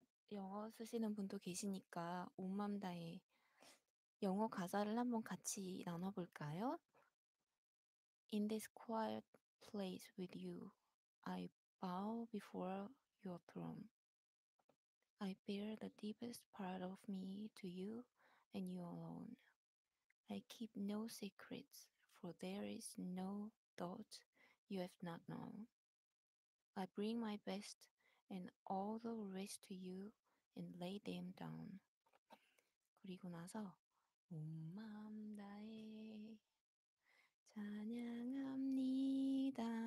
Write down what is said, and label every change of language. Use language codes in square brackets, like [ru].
[ko] 영어 쓰시는 분도 계시니까 온 맘 다해 영어 가사를 한번 같이 나눠볼까요? [en] In this quiet place with you, I bow before your throne. I bear the deepest part of me to you and you alone. I keep no secrets, for there is no thought you have not known. I bring my best and all the rest to you and lay them down. [ko] 그리고 나서 온 맘 다해 찬양합니다.